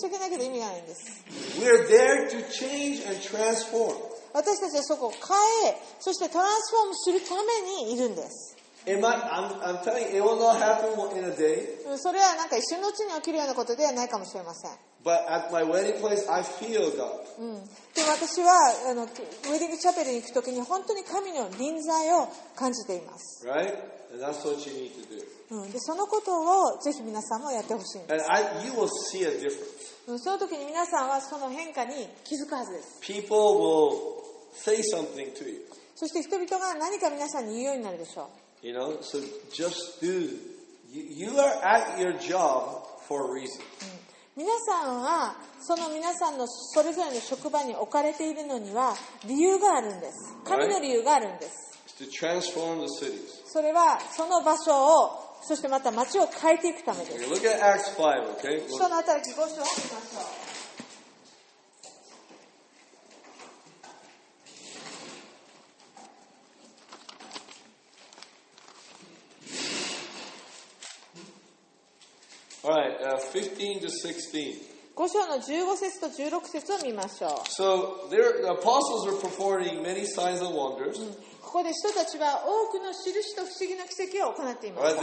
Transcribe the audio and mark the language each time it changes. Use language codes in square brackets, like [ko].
[ja] 申し訳ないけど意味がないんです。 [en] We are there to change and transform. [ja] 私たちはそこを変え、そしてトランスフォームするためにいるんです。 [en] I'm telling you, it will not happen in a day. [ja] それはなんか一瞬のうちに起きるようなことではないかもしれません。 [en] But at my wedding place, I feel God. [ja] でも私はあのウェディングチャペルに行くときに本当に神の臨在を感じています。 [en] Right? And that's what you need to do. [ja] でそのことをぜひ皆さんもやってほしいんです。 [en] And you will see a difference. [ja] その時に皆さんはその変化に気づくはずです。 [en] People will say something to you. [ja] そして人々が何か皆さんに言うようになるでしょう。 [en] You know, so just do. You are at your job for a reason. [ja] 皆さんはその皆さんのそれぞれの職場に置かれているのには理由があるんです。神の理由があるんです。 [en] Right? To transform the cities. [ja] それはその場所をそしてまた町を変えていくためです。 [en] Okay, look at Acts 5, okay? [ja] 使徒の働き5章を見ましょう。 5 章の15節と16節を見ましょう。 [en] So, there, the apostles were performing many signs and wonders. [ja] ここで人たちは多くの印と不思議な奇跡を行っていました。